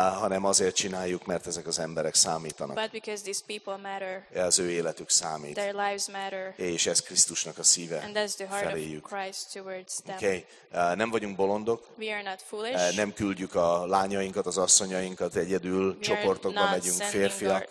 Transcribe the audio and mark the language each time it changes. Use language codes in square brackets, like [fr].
[hu] Hanem azért csináljuk, mert ezek az emberek számítanak. [en] But because these people matter. [hu] Az ő életük számít. [en] Their lives matter. [hu] És ez Krisztusnak a szíve. [en] And that's the heart [hu] feléjük [en] of Christ towards them. [hu] Okay. Nem vagyunk bolondok. [en] We are not foolish. [hu] Nem küldjük a lányainkat, az asszonyainkat egyedül, [en] we [hu] csoportokba megyünk, férfiak